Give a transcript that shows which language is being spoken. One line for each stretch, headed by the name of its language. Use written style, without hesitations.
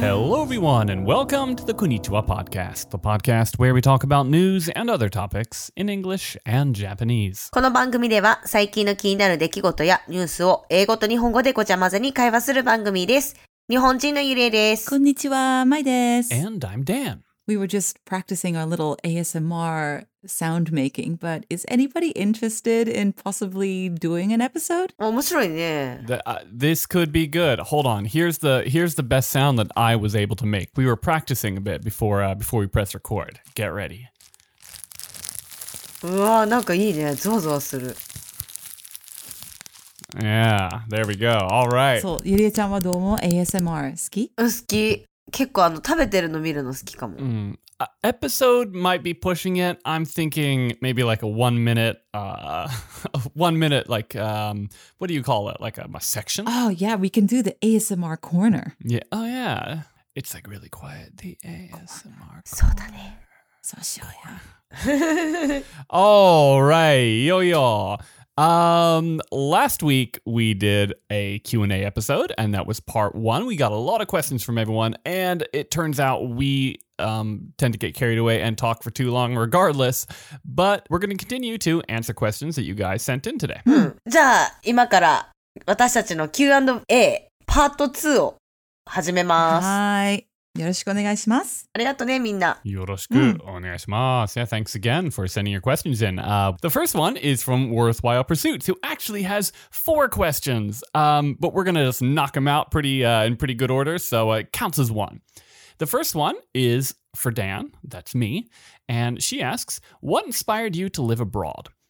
English: Hello, everyone, and welcome to the Konnichiwa Podcast, the podcast where we talk about news and other topics in English and Japanese.
Japanese: この番組では最近の気になる出来事やニュースを英語と日本語でごちゃ混ぜに会話する番組です。日本人のゆれです。こんにちは、まいです。
English: And I'm Dan. We were just practicing our little ASMR sound making, but is anybody interested in possibly doing an episode?
Japanese: 面白いね。
English: This could be good. Hold on. Here's the best sound that I was able to make. We were practicing a bit before we press record. Get ready.
Japanese: うわ、なんかいいね。ゾワゾワする。
English: Yeah, there we go. All right.
Japanese: そう、ゆりえちゃんはどうも ASMR 好き？好き。結構食べてるの見るの好きかも。
English: Mm. Episode might be pushing it. I'm thinking maybe like a one minute, like, what do you call it? Like a section? Oh, yeah, we can do the ASMR corner. Yeah. Oh, yeah. It's like really quiet, the ASMR corner.
Japanese: そうだね。そうしようや。
English: All right, yo-yo. Last week we did a Q&A episode, and that was part one. We got a lot of questions from everyone, and it turns out we tend to get carried away and talk for too long regardless, but we're going to continue to answer questions that you guys sent in today.
Japanese: じゃあ今から私たちの Q&A パート2を始めます。はい。よろしくお願いします。ありがとうね、みんな。よろしくお願いします。
English: Yeah, thanks again for sending your questions in. The first one is from Worthwhile Pursuits, who actually has four questions. But we're gonna just knock them out pretty good order, so it counts as one. The first one is for Dan, that's me, and she asks, what inspired you to live abroad?